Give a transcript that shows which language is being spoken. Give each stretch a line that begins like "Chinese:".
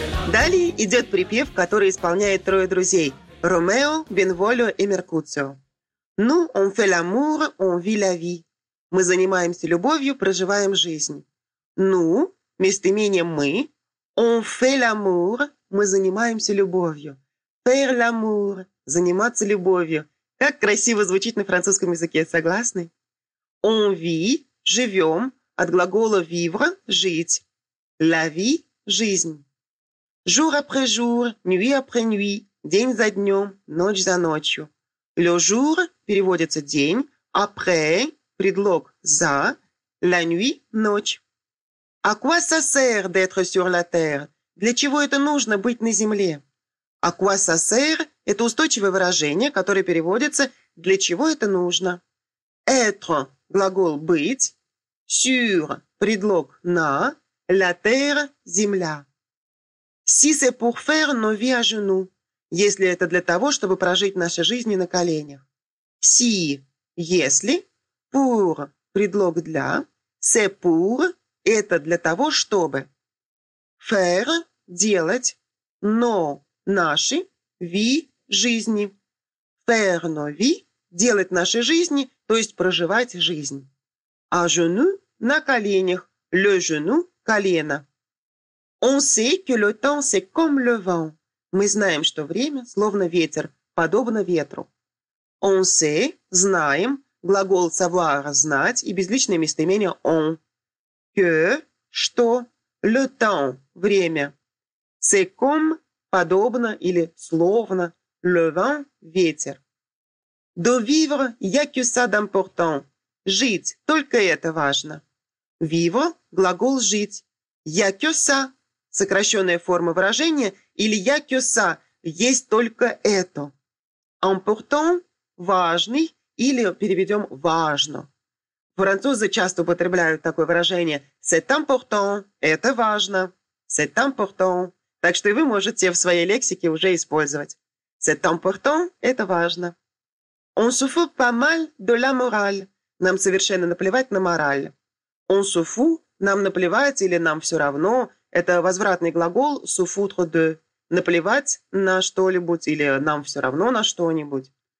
Russian: Далее идет припев, который исполняет трое друзей – Ромео, Бенволио и Меркуцио.
French: «Nous, on fait l'amour, on vit la vie» –
Russian: «Мы занимаемся любовью, проживаем жизнь».
French: «Nous»
Russian: – местоимение «мы»,
French: «on fait l'amour»
Russian: – «мы занимаемся любовью»,
French: «faire l'amour»
Russian: – «заниматься любовью». Как красиво звучит на французском языке, согласны?
French: «On vit»
Russian: – «живем» – от глагола
French: «vivre»
Russian: – «жить».
French: «La vie» –
Russian: «жизнь».
French: Jour après jour, nuit après nuit,
Russian: день за днем, ночь за ночью.
French: Le jour
Russian: переводится день,
French: après
Russian: предлог за,
French: la nuit
Russian: ночь.
French: À quoi ça sert d'être sur la terre?
Russian: Для чего это нужно быть на земле?
French: À quoi ça sert
Russian: это устойчивое выражение, которое переводится для чего это нужно?
French: Être
Russian: глагол быть,
French: sur
Russian: предлог на,
French: la terre
Russian: земля.
French: Si c'est pour faire nos vies à genoux,
Russian: если это для того, чтобы прожить наши жизни на коленях.
French: Si,
Russian: если,
French: pour,
Russian: предлог для,
French: c'est pour,
Russian: это для того, чтобы.
French: Faire,
Russian: делать, но наши,
French: vie,
Russian: жизни.
French: Faire nos vies,
Russian: делать наши жизни, то есть проживать жизнь.
French: À genoux,
Russian: на коленях,
French: le genou,
Russian: колено.
French: On sait que le temps c'est comme le vent.
Russian: Мы знаем, что время словно ветер, подобно ветру.
French: On sait,
Russian: знаем, глагол
French: savoir
Russian: – знать и безличное местоимение
French: on. Que
Russian: – что.
French: Le temps
Russian: – время.
French: C'est comme
Russian: – подобно или словно.
French: Le vent –
Russian: ветер.
French: De vivre – y'a que ça d'important.
Russian: Жить – только это важно.
French: Vivre
Russian: – глагол жить.
French: Y'a que ça
Russian: – сокращенная форма выражения, или
French: y'a que ça
Russian: – есть только это.
French: Important
Russian: – важный, или переведем «важно». Французы часто употребляют такое выражение
French: «c'est important»
Russian: – это важно.
French: «C'est important»
Russian: – так что и вы можете в своей лексике уже использовать.
French: «C'est important»
Russian: – это важно.
French: «On se fout pas mal de la morale» –
Russian: нам совершенно наплевать на мораль.
French: «On se fout»
Russian: – нам наплевать или нам все равно – это возвратный глагол
French: «se foutre de»
Russian: – наплевать на что-либо или нам все равно на что-нибудь.